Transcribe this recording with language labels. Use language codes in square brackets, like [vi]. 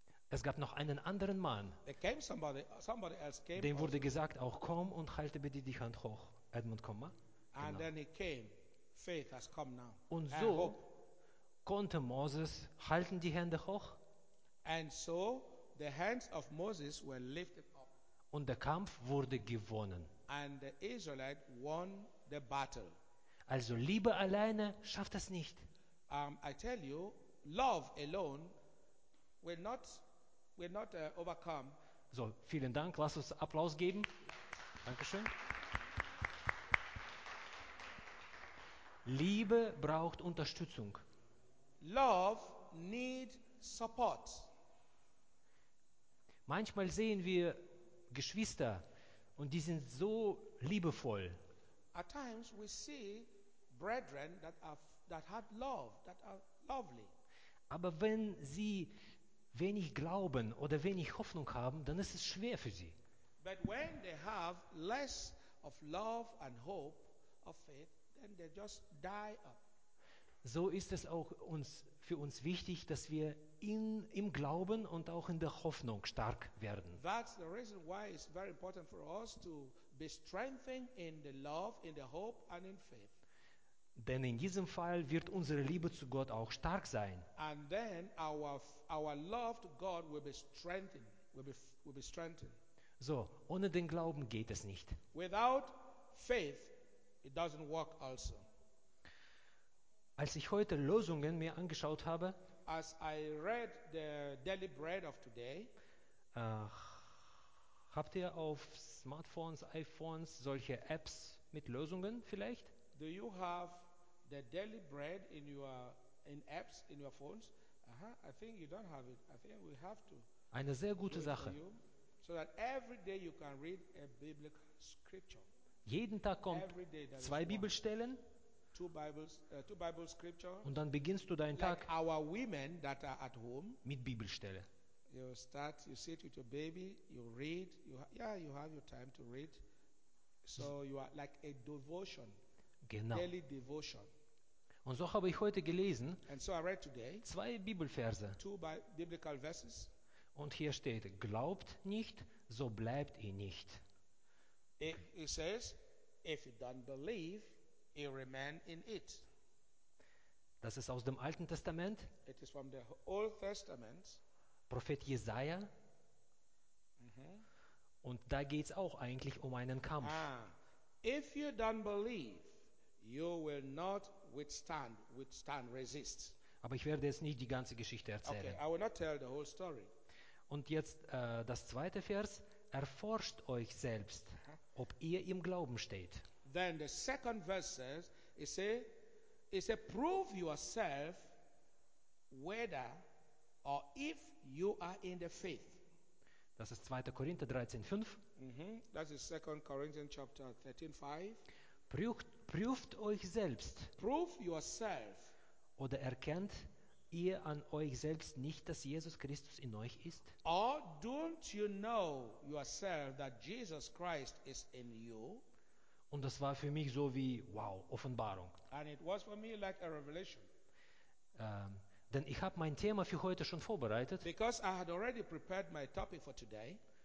[de] Es gab noch einen anderen Mann. Dem wurde gesagt, auch komm und halte bitte die Hand hoch. Edmund, komm mal. [en] Genau. And then he came. Faith has come now. [de] Und so konnte Moses halten die Hände hoch. [en] And so the hands of Moses were lifted up. [de] Und der Kampf wurde gewonnen. [en] And the Israelite won the battle. [de] Also Liebe alleine schafft das nicht. [en] I tell you, love alone will not overcome. [de] So, vielen Dank. Lass uns Applaus geben. Dankeschön. Liebe braucht Unterstützung. [en] Love need support. [de] Manchmal sehen wir Geschwister und die sind so liebevoll. [en] At times we see brethren that have love, that are lovely. [de] Aber wenn sie wenig glauben oder wenig Hoffnung haben, dann ist es schwer für sie. [en] But when they have less of love and hope of faith, then they just die up. [de] So ist es auch für uns wichtig, dass wir im Glauben und auch in der Hoffnung stark werden. [en] That's the reason why it's very important for us to be strengthened in the love, in the hope and in faith. [de] Denn in diesem Fall wird unsere Liebe zu Gott auch stark sein. [en] And then our love to God will be strengthened. Will be strengthened. [de] So, ohne den Glauben geht es nicht. [en] Without faith, it doesn't work also. [de] Als ich heute Losungen mir angeschaut habe, [en] as I read the daily bread of today, [de] habt ihr auf Smartphones, iPhones solche Apps mit Losungen vielleicht? [en] Do you have the daily bread in apps in your phones? I think you don't have it. I think we have to. [de] Eine sehr gute Sache. You, [en] so that every day you can read a biblical scripture. [de] Jeden Tag kommt zwei Bibelstellen. [en] Two Bible scriptures. [de] Und dann beginnst du deinen Tag [en] like our women that are at home, [de] mit Bibelstelle. [en] you start, you sit with your baby, you read, you have your time to read. So you are like a devotion, [de] genau. [en] Daily devotion. [de] Und so habe ich heute gelesen, [en] and so I read today, [de] zwei Bibelverse. [en] Two biblical verses. [de] Und hier steht, glaubt nicht, so bleibt ihr nicht. [en] It says, if you don't believe, you remain in it. [de] Das ist aus dem Alten Testament. [en] It is from the Old Testament. [de] Prophet Jesaja. Mm-hmm. Und da geht es auch eigentlich um einen Kampf. [en] If you don't believe, you will not withstand, resist. [de] Aber ich werde jetzt nicht die ganze Geschichte erzählen. [en] Okay, I will not tell the whole story. [de] Und jetzt das zweite Vers. Erforscht euch selbst, ob ihr im Glauben steht. [en] Then the second verse says, it says, prove yourself whether or if you are in the faith. [de] Das ist 2. Korinther 13, 5. [en] Mm-hmm. That is 2 Corinthians chapter 13, 5. [de] Prüft euch selbst. [en] Prove yourself. [de] Oder erkennt ihr an euch selbst nicht, dass Jesus Christus in euch ist? [en] Or don't you know yourself that Jesus Christ is in you? [de] Und das war für mich so wie, wow, Offenbarung. [en] And it was for me like a revelation. [de] Denn ich habe mein Thema für heute schon vorbereitet. [en] Because I had already prepared my topic for today.